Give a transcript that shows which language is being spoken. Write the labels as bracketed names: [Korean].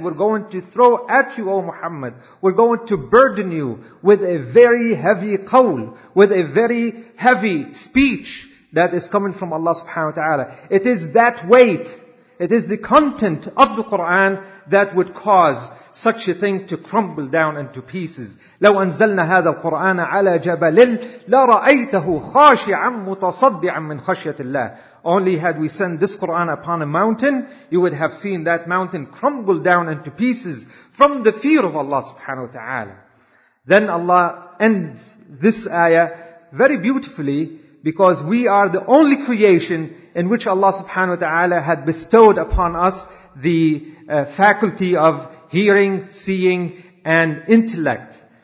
[English] We're going to throw at you, O Muhammad. We're going to burden you with a very heavy qawl, with a very heavy speech that is coming from Allah subhanahu wa ta'ala. It is that weight. It is the content of the Quran that would cause such a thing to crumble down into pieces. [Arabic] لو أنزلنا هذا القرآن على جبل لرأيته خاشعا متصدعا من خشية الله. [English] Only had we sent this Quran upon a mountain, you would have seen that mountain crumble down into pieces from the fear of Allah subhanahu wa ta'ala. Then Allah ends this ayah very beautifully, because we are the only creation in which Allah subhanahu wa ta'ala had bestowed upon us the faculty of hearing, seeing, and intellect.